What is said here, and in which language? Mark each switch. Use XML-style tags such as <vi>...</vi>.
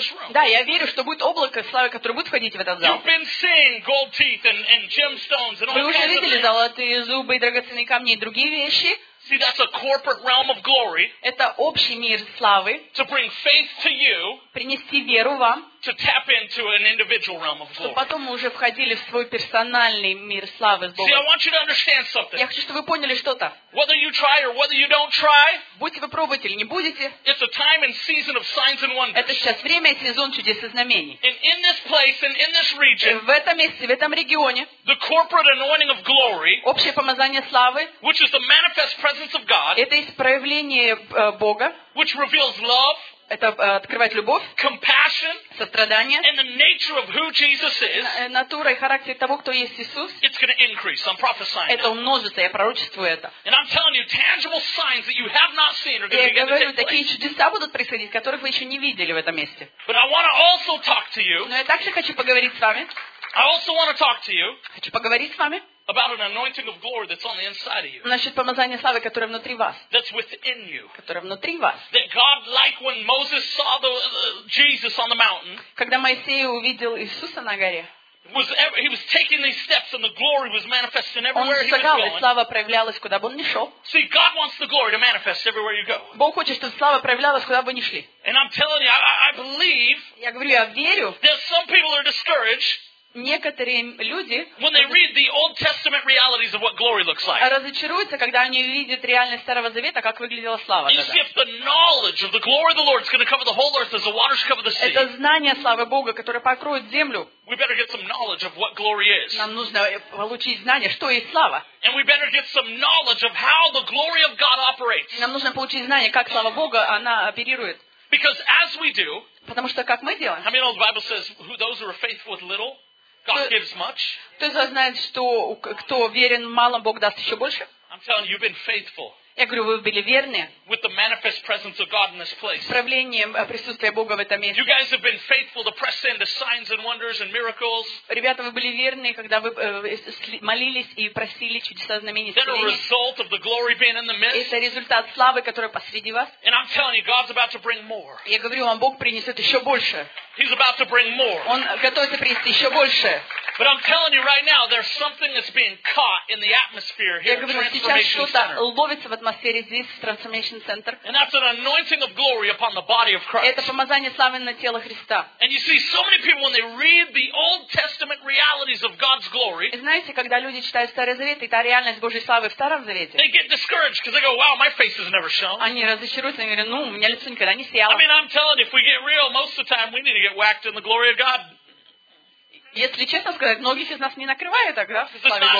<ru>Да, я верю, что будет облако славы, которое будет входить в этот зал. Вы уже видели золотые зубы и драгоценные камни и другие вещи.</ru> <en>See, that's a corporate realm of glory.</en> <ru>Это общий мир славы.</ru> <en>To bring faith to you.</en> <ru>Принести веру вам.</ru> <en>To tap into an individual realm of glory.</en> <ru>Чтобы потом мы уже входили в свой персональный мир славы с Богом.</ru> <en>See, I want you to understand something.</en> <ru>Я хочу, чтобы вы поняли что-то.</ru> <en>Whether you try or whether you don't try.</en> <ru>Будете вы пробовать или не будете.</ru> <en>It's a time and season of signs and wonders.</en> <ru>Это сейчас время и сезон чудес и знамений.</ru> <en>And in this place and in this region.</en> <ru>В этом месте, в этом регионе.</ru> <en>The corporate anointing of glory.</en> <ru>Общее помазание славы.</ru> <en>Which is the manifest presence of God.</en> <ru>Это есть проявление Бога.</ru> <en>Which reveals love.</en> <ru>Это открывает любовь,</ru> <en>compassion,</en> <ru>сострадание,</ru> <en>and the nature of who Jesus is.</en> <ru>Натура и характер того, кто есть Иисус.</ru> <en>It's going to increase. I'm prophesying.</en> <ru>Это умножится, я пророчествую это.</ru> <en>And I'm telling you, tangible signs that you have not seen are going to begin to take place.</en> <ru>Я говорю, такие чудеса будут происходить, которых вы еще не видели в этом месте.</ru> <en>But I want to also talk to you.</en> <ru>Но я также хочу поговорить с вами.</ru> <en>I also want to talk to you.</en> <ru>Хочу поговорить с вами.</ru> <en>About an anointing of glory that's on the inside of you.</en> <ru>Значит, помазание славы, которое внутри вас.</ru> <en>That's within you.</en> <ru>Которое внутри вас.</ru> <en>That God, like when Moses saw the Jesus on the mountain.</en> <ru>Когда Моисей увидел Иисуса на горе.</ru> <en>He was taking these steps, and the glory was manifesting everywhere he was going.</en> <ru>Он шагал, и слава проявлялась, куда бы он ни шел.</ru> <en>See, God wants the glory to manifest everywhere you go.</en> <ru>Бог хочет, чтобы слава проявлялась, куда бы ни шли.</ru> <en>And I'm telling you, I believe.</en> <ru>Я говорю, я верю.</ru> <en>That some people are discouraged.</en> <ru>некоторые люди</ru> <en>when they read the Old Testament realities of what glory looks like.</en> <ru>Разочаруются, когда они видят реальность Старого Завета, как выглядела слава тогда.</ru> <en>You see, if the knowledge of the glory of the Lord is going to cover the whole earth as the waters cover the sea.</en> <ru>Это знание славы Бога, которое покроет землю.</ru> <en>We better get some knowledge of what glory is.</en> <ru>Нам нужно получить знание, что есть слава.</ru> <en>And we better get some knowledge of how the glory of God operates.</en> <ru>Нам нужно получить знание, как слава Бога она оперирует.</ru> <en>Because as we do,</en> <ru>потому что как мы делаем?</ru> <en>How many know the Bible says, who those who are faithful with little, God gives much.</en> <ru>Кто из вас знает, что кто верен малым, Бог даст еще больше?</ru> <en>I'm telling you, you've been faithful.</en> <ru>Я говорю, вы были верны.</ru> <en>With the manifest presence of God in this place.</en> <ru>С проявлением присутствия Бога в этом месте.</ru> <en>You guys have been faithful to press into signs and wonders and miracles.</en> <ru>Ребята, вы были верны, когда вы молились и просили чудеса, знамения, исцеления.</ru> <en>Then a result of the glory being in the midst.</en> <ru>Это результат славы, которая посреди вас.</ru> <en>And I'm telling you, God's about to bring more.</en> <ru>Я говорю вам, Бог принесет еще больше.</ru> <en>He's about to bring more.</en> <ru>Он готовится принести еще больше.</ru> <en>But I'm telling you right now, there's something that's being caught in the atmosphere here.</en> <ru>Я говорю, сейчас что-то ловится в атмосфере здесь, в Transformation Center.</ru> <en>And that's an anointing of glory upon the body of Christ.</en> <ru>Это помазание славы на тело Христа.</ru> <en>And you see, so many people when they read the Old Testament realities of God's glory.</en> <ru>Знаете, когда люди читают Старый Завет и та реальность Божьей славы в Старом Завете.</ru> <en>They get discouraged because they go, "Wow, my face has never shone."</en> <ru>Они разочаруются и говорят, ну, у меня лицо никогда не сияло.</ru> <en>I mean, I'm telling you, if we get real, most of the time we need to get whacked in the glory of God.</en> <ru>Если честно сказать, многих из нас не накрывает так, да, славе Бога.</ru>